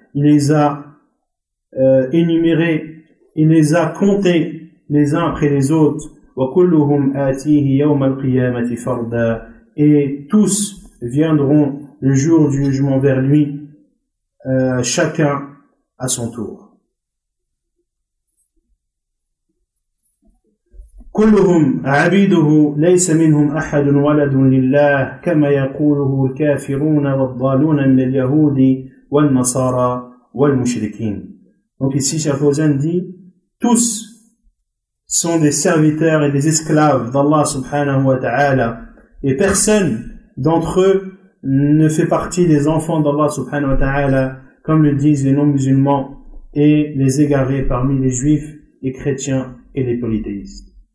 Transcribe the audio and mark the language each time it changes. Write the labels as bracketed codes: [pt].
[fr] Il les a énumérés, il les a comptés les uns après les autres. [ar] وَكُلُّهُمْ آتِيهِ يَوْمَ الْقِيَامَةِ فَرْدًا. [fr] Et tous viendront le jour du jugement vers lui, chacun à son tour. [ar] كلهم عبيده ليس منهم أحد ولد لله كما يقوله الكافرون والضالون من اليهود والنصارى والمشركين. [fr] Donc ici Cheikh Fawzan dit, tous sont des serviteurs et des esclaves d'Allah subhanahu wa ta'ala, et personne d'entre eux ne fait partie des enfants d'Allah subhanahu wa ta'ala, comme le disent les non-musulmans et les égarés parmi les juifs, les chrétiens et les polythéistes.